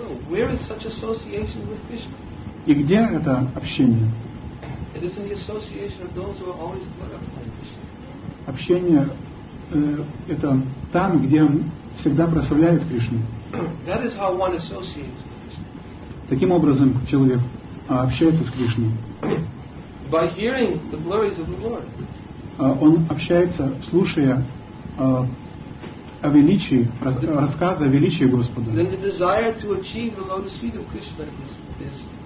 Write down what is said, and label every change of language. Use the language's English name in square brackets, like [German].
[English] Where is such association with Krishna? [Russian] И где это общение? [English] It is in the association of those who are always glorifying. [Russian] Общение это там, где всегда прославляют Кришну. [English] That is how one associates with Krishna. [Russian] Таким образом человек общается с Кришной. [English] By hearing the glories of the Lord. [Russian] Он общается, слушая о величии, рассказы о величии Господа. [English] Then the desire to achieve the lotus feet of Krishna is